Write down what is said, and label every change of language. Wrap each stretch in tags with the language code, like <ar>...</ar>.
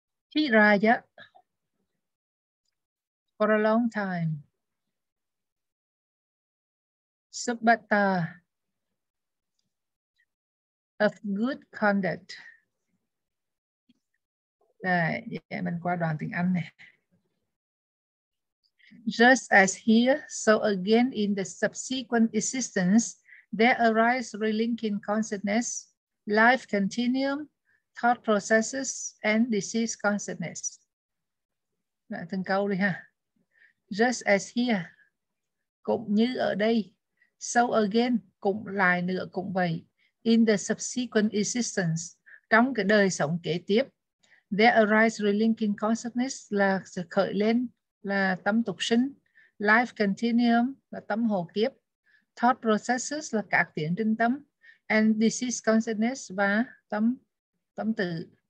<en>Chiraya for a long time. Subhata of good conduct.</en> <vi>Đây, yeah, mình qua đoạn tiếng Anh này.</vi> <en>Just as here, so again in the subsequent existence, there arise relinking consciousness, life continuum, thought processes, and disease consciousness.</en> <vi>Đây, từng câu đi ha.</vi> <en>Just as here,</en> <vi>cũng như ở đây,</vi> <en>so again,</en> <vi>cũng lại nữa, cũng vậy.</vi> <en>In the subsequent existence,</en> <vi>trong cái đời sống kế tiếp,</vi> <en>there arise relinking consciousness</en> <vi>là sự khởi lên, là tâm tục sinh,</vi> <en>life continuum</en> <vi>là tâm hồ kiếp,</vi> <en>thought processes</en> <vi>là các tiến trình tâm,</vi> <en>and disease consciousness</en> <vi>và tâm tử.</vi>